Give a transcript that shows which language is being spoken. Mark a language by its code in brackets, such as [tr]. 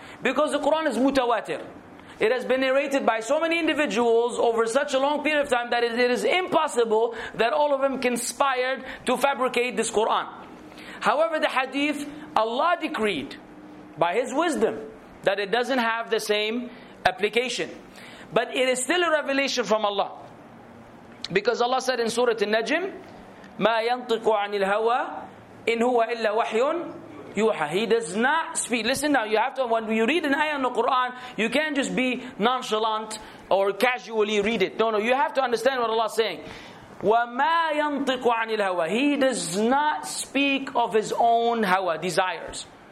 [en] Because the Quran is mutawatir. It has been narrated by so many individuals over such a long period of time that it is impossible that all of them conspired to fabricate this Quran. However, the hadith, Allah decreed by His wisdom that it doesn't have the same application. But it is still a revelation from Allah. Because Allah said in Surah An-Najm, [ar] مَا يَنْطِقُ عَنِ الْهَوَى إِنْ هُوَ إِلَّا وَحْيٌ. [en] He does not speak. Listen now, you have to, when you read an ayah in the Quran, you can't just be nonchalant or casually read it. No, you have to understand what Allah is saying. [ar] وَمَا يَنْطِقُ عَنِ الْهَوَى. [en] He does not speak of his own hawa, desires.